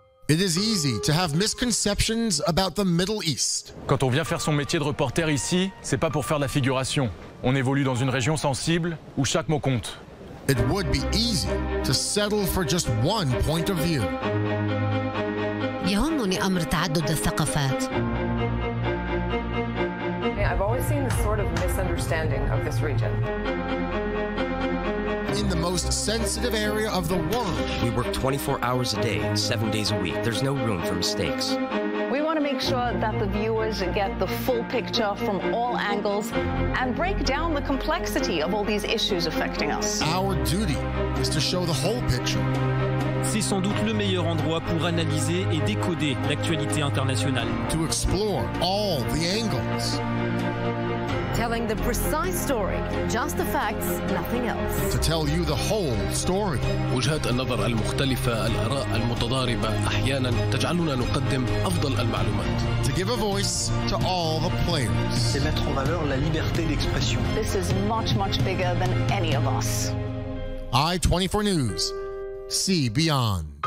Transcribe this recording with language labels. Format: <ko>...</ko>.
<en>It is easy to have misconceptions about the Middle East.</en> <fr>Quand on vient faire son métier de reporter ici, c'est pas pour faire de la figuration. On évolue dans une région sensible où chaque mot compte.</fr> <en>It would be easy to settle for just one point of view.</en> <ar>يهمني أمر تعدد الثقافات.</ar> <en>I've always seen this sort of misunderstanding of this region. In the most sensitive area of the world. We work 24 hours a day, 7 days a week. There's no room for mistakes. We want to make sure that the viewers get the full picture from all angles and break down the complexity of all these issues affecting us. Our duty is to show the whole picture.</en> <fr>C'est sans doute le meilleur endroit pour analyser et décoder l'actualité internationale.</fr> <en>To explore all the angles. Telling the precise story, just the facts, nothing else. To tell you the whole story.</en> <ar>وجهات النظر المختلفة، الآراء المتضاربة أحيانا تجعلنا نقدم أفضل المعلومات.</ar> <en>To give a voice to all the players.</en> <fr>C'est mettre en valeur la liberté d'expression.</fr> <en>This is much, much bigger than any of us. i24 News. See beyond.</en>